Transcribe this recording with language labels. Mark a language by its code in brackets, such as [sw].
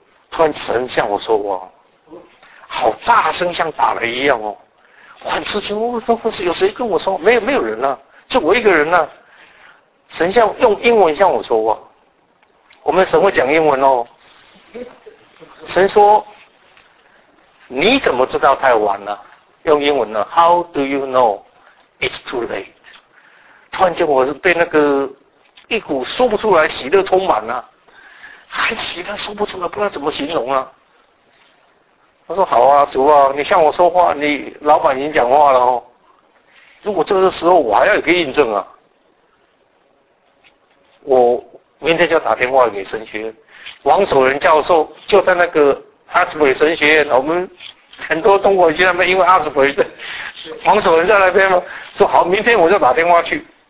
[zh] 突然神向我说话，好大声，像打雷一样哦！我很吃惊，我说有谁跟我说？没有人啊，就我一个人啊。神向用英文向我说话，我们神会讲英文哦。神说：“你怎么知道太晚了？” 用英文呢 [en] ？How do you know it's too late？ [zh] 突然间，我被那个一股说不出来喜乐充满了。还喜乐说不出来，不知道怎么形容啊。他说：“好啊，主啊，你向我说话，你老板已经讲话了哦。如果这个时候我还要有个印证啊，我明天就打电话给神学院王守仁教授，就在那个阿斯伯里神学院。我们很多中国人去那边，因为阿斯伯里王守仁在那边嘛，说好，明天我就打电话去。